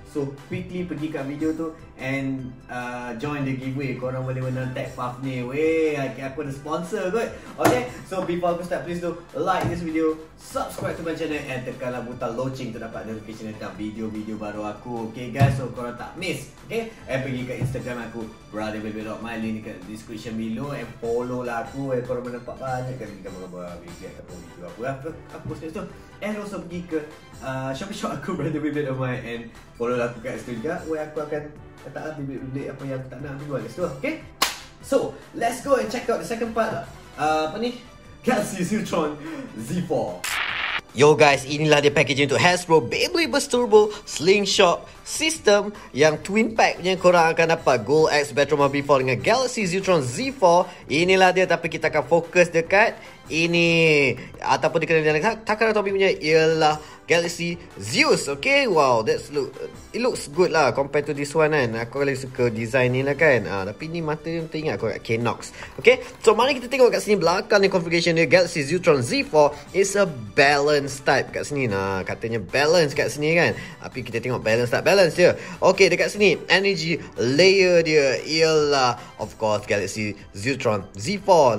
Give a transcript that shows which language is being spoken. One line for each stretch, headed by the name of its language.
English: So quickly
Malay: pergi kat video tu
English: and join the giveaway.
Malay: Korang boleh menang tag puff ni. Weh, aku ada sponsor kot.
English: Okay, so before
Malay: aku start,
English: please do like this video, subscribe to my channel
Malay: and tekanlah butang loceng tu dapat notification tentang video-video baru aku.
English: Okay guys, so
Malay: korang tak miss. Okay, and pergi ke Instagram aku, BrotherBeyblade.my, link dekat description below. And follow lah aku, and korang boleh nampak banyak kan gambar-gambar video ataupun video aku aku post kat situ. And also pergi ke Shopee shop aku, BrotherBeyblade.my, and follow lah aku kat situ juga, where aku akan letak lah beyblade-beyblade apa yang aku tak nak jual kat situ.
English: Okay, so let's go and check out the second part.
Malay: Apa ni?
English: Galaxy Zeutron Z4.
Malay: Yo guys, inilah dia packaging untuk HASBRO Beyblade Burst Turbo Slingshot System yang twin pack ni. Korang akan dapat Gold X Battle Mom before dengan Galaxy Zeutron Z4. Inilah dia, tapi kita akan fokus dekat ini, ataupun dikenali dengan Takara Tomy punya, ialah Galaxy Zeus.
English: Okay, wow, that's look, it looks good lah compared to this one kan.
Malay: Aku lagi suka design ni lah kan. Tapi ni mata ni teringat aku kat Kenox. Okay, so mari kita tengok kat sini belakang ni configuration dia.
English: Galaxy Zeutron Z4 is a balance type
Malay: kat sini. Nah, katanya balance kat sini kan, tapi kita tengok balance type balance dia. Okay, dekat sini energy layer dia ialah of course Galaxy Zeutron Z4.